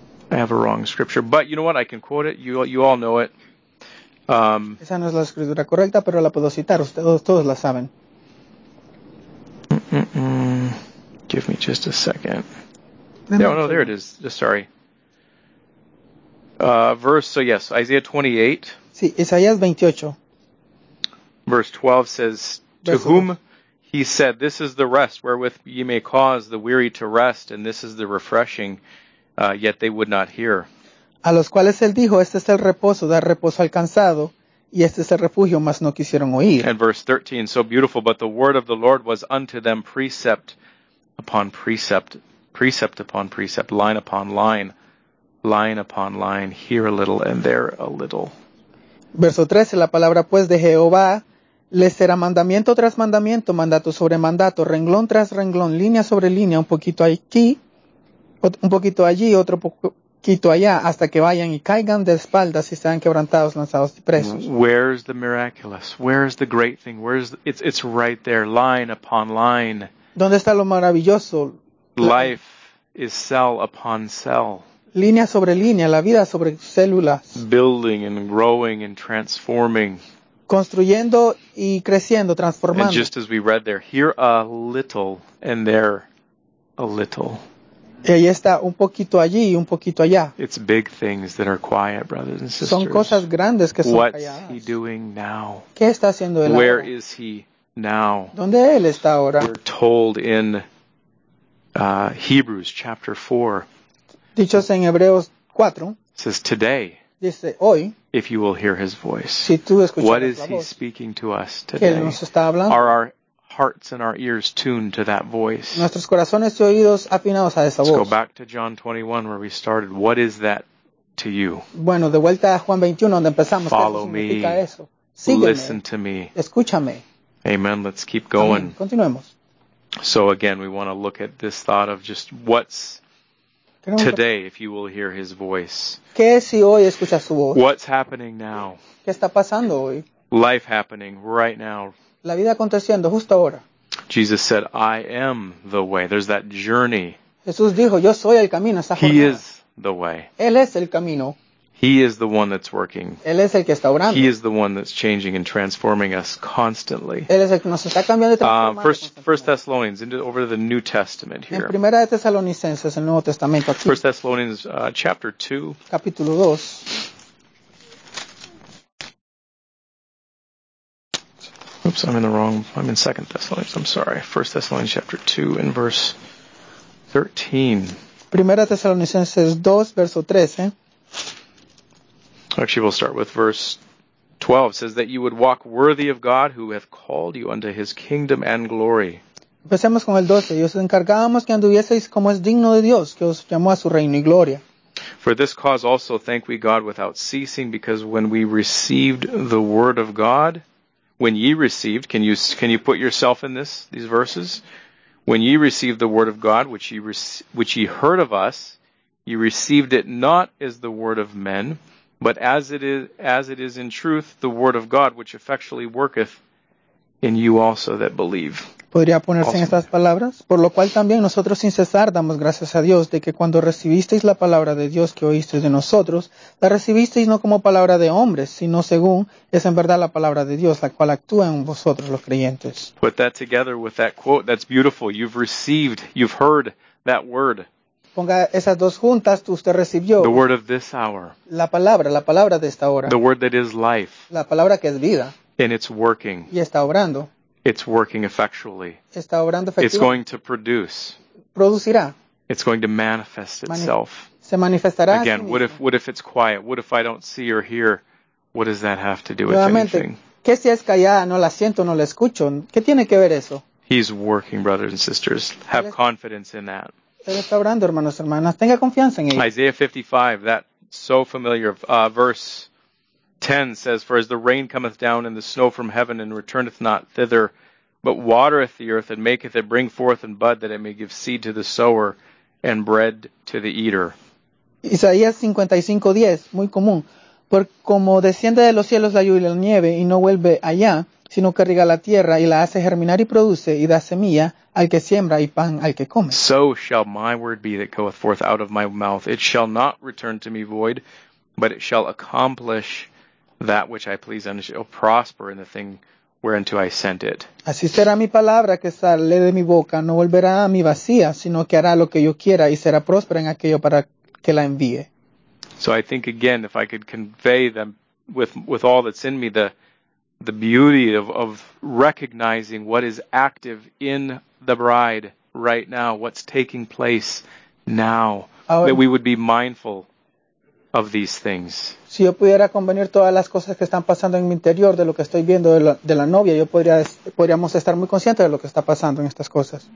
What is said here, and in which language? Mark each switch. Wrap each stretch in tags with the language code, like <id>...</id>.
<en>I have a wrong scripture, but you know what? I can quote it. You all know it.</en> <es>Esa no es la escritura correcta, pero la puedo citar. Ustedes todos la saben.</es> <en>Give me just a second. No, no, there it is. Just sorry. Verse, Isaiah 28.</en> <es>Sí, Isaías 28.</es> <en>Verse 12 says, to whom he said, this is the rest wherewith ye may cause the weary to rest, and this is the refreshing, yet they would not hear.</en> <es>A los cuales él dijo, este es el reposo, dar reposo al cansado, y este es el refugio, mas no quisieron oír.</es> <en>And verse 13, so beautiful, but the word of the Lord was unto them precept upon precept. Precept upon precept, line upon line, here a little and there a little.</en> <es>Verso 13, la palabra pues de Jehová le será mandamiento tras mandamiento, mandato sobre mandato, renglón tras renglón, línea sobre línea, un poquito aquí, un poquito allí, otro poquito allá, hasta que vayan y caigan de espaldas y sean quebrantados, lanzados y presos.</es> <en>Where's the miraculous? Where's the great thing? Where's the, it's right there, line upon line.</en> <es>¿Dónde está lo maravilloso?</es> <en>Life is cell upon cell.</en> <es>Línea sobre línea, la vida sobre células.</es> <en>Building and growing and transforming.</en> <es>Construyendo y creciendo, transformando.</es> <en>And just as we read there, here a little and there a little.</en> <es>Y ahí está un poquito allí y un poquito allá.</es> <en>It's big things that are quiet, brothers and sisters.</en> <es>Son cosas grandes que son</es> <en>what's</en> <es>calladas.</es> <en>What's he doing now?</en> <es>¿Qué está haciendo él</es> <en>where</en> <es>ahora?</es> <en>Is he now?</en> <es>¿Dónde él está ahora?</es> <en>We're told in Hebrews chapter 4.</en> <es>Dichos en Hebreos 4.</es> <en>Says today.</en> <es>Dice hoy.</es> <en>If you will hear his voice.</en> <es>Si tú escuchas</es> <en>what is he</en> <es>voz,</es> <en>speaking to us today?</en> <es>Que nos está hablando.</es> <en>Are our hearts and our ears tuned to that voice?</en> <es>Nuestros corazones y oídos afinados a esa voz.</es> <en>Let's go back to John 21 where we started. What is that to you?</en> <es>Bueno, de vuelta a Juan 21 donde empezamos.</es> <en>Follow me.</en> <es>Sígueme.</es> <en>Listen to me.</en> <es>Escúchame.</es> <en>Amen. Let's keep going.</en> <es>Amén. Continuemos.</es> <en>So again, we want to look at this thought of just what's today, if you will hear his voice.</en> <es>¿Qué si hoy escuchas su voz?</es> <en>What's happening now?</en> <es>¿Qué está pasando hoy?</es> <en>Life happening right now.</en> <es>La vida aconteciendo justo ahora.</es> <en>Jesus said, I am the way. There's that journey.</en> <es>Jesús dijo, yo soy el camino. Esa</es> <en>he is the way.</en> <es>Él es el camino.</es> <en>He is the one that's working.</en> <es>Él es el que está orando.</es> <en>He is the one that's changing and transforming us constantly.</en> <es>Él es el que nos está cambiando y transformando.</es> <en>First Thessalonians, over the New Testament here.</en> <es>En Primera de Tesalonicenses, el Nuevo Testamento aquí.</es> <en>First Thessalonians, chapter 2.</en> <es>Capítulo 2.</es> <en>Oops, I'm in Second Thessalonians, I'm sorry. First Thessalonians, chapter 2, and verse 13.</en> <es>Primera de Tesalonicenses 2, verso 13.</es> <en>Actually, we'll start with verse 12. It says that you would walk worthy of God who hath called you unto his kingdom and glory.</en> <es>Empecemos con el 12. Y os encargábamos que anduvieseis como es digno de Dios, que os llamó a su reino y gloria.</es> <en>For this cause also thank we God without ceasing, because when we received the word of God, when ye received, can you put yourself in this, these verses? When ye received the word of God, which ye heard of us, ye received it not as the word of men, but as it is in truth the word of God which effectually worketh in you also that believe.</en> <es>Podría ponerse also en estas palabras, por lo cual también nosotros sin cesar damos gracias a Dios de que cuando recibisteis la palabra de Dios que oísteis de nosotros, la recibisteis no como palabra de hombres, sino según es en verdad la palabra de Dios la cual actúa en vosotros los creyentes.</es> <en>Put that together with that quote, that's beautiful. You've received, you've heard that word.</en> <es>Ponga esas dos juntas, usted recibió</es> <en>the word of this hour,</en> <es>la palabra de esta hora,</es> <en>the word that is life,</en> <es>la palabra que es vida,</es> <en>and it's working,</en> <es>y está obrando,</es> <en>it's working effectually,</en> <es>está obrando efectivamente,</es> <en>it's going to produce,</en> <es>producirá,</es> <en>it's going to manifest itself,</en> <es>se manifestará</es> <en>again.</en> <es>Sí,</es> <en>what if it's quiet? What if I don't see or hear? What does that have to do with anything?</en> <es>¿Qué si es callada, no la siento, no la escucho? ¿Qué tiene que ver eso?</es> <en>He's working, brothers and sisters. Have confidence in that.</en> <es>Él está orando, hermanos, hermanas. Tenga confianza en él.</es> <en>Isaiah 55, that so familiar verse 10 says, for as the rain cometh down and the snow from heaven and returneth not thither, but watereth the earth and maketh it bring forth and bud, that it may give seed to the sower and bread to the eater.</en> <es>Isaías 55:10, muy común. Por como desciende de los cielos la lluvia y la nieve y no vuelve allá, sino que riega la tierra y la hace germinar y produce y da semilla al que siembra y pan al que come.</es> <en>So shall my word be that goeth forth out of my mouth. It shall not return to me void, but it shall accomplish that which I please, and it shall prosper in the thing whereunto I sent it.</en> <es>Así será mi palabra que sale de mi boca, no volverá a mí vacía, sino que hará lo que yo quiera y será próspera en aquello para que la envíe.</es> <en>So I think again, if I could convey them with all that's in me, the beauty of recognizing what is active in the bride right now, what's taking place now, that we would be mindful of these things.</en> <es>Si yo pudiera convenir todas las cosas que están pasando en mi interior, de lo que estoy viendo de la novia, yo podríamos estar muy conscientes de lo que está pasando en estas cosas.</es>